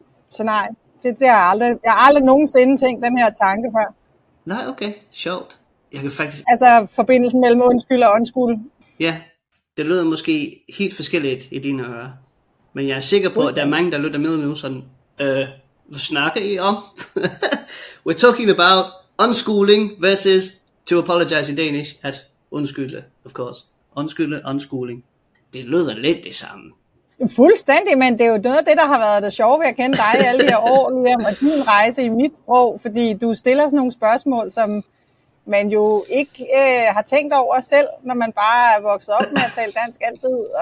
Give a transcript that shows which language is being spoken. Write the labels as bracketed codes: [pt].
[da] Så nej, det har jeg har aldrig nogensinde tænkt den her tanke før. Nej, okay. Sjovt. Jeg kan faktisk... Altså forbindelsen mellem undskyld og undskyld. Ja, det lyder måske helt forskelligt i dine ører. Men jeg er sikker på, at der er mange, der lytter med nu sådan, hvad snakker I om? [en] We're talking about unschooling versus to apologize in Danish [da] at undskylde, [en] of course. [da] Undskylde, unschooling. Det lyder lidt det samme. Fuldstændig, men det er jo noget af det, der har været det sjove ved at kende dig alle de her år, og din rejse i mit sprog, fordi du stiller sådan nogle spørgsmål, som man jo ikke har tænkt over selv, når man bare er vokset op med at tale dansk altid.